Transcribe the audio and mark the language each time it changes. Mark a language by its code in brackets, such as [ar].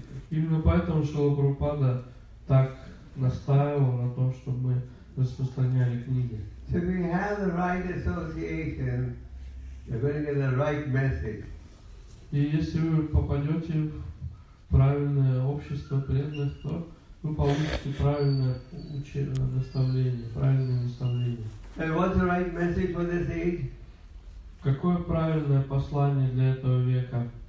[ru] Именно поэтому Шрила Прабхупада так настаивал на том, чтобы мы распространяли книги. [en] So if we have the right association, you're going to get the right message. [ru] И если вы попадете в правильное общество преданных, то вы получите правильное наставление, правильное наставление. [en] And what's the right message for this age? [ru] Какое правильное послание для этого века?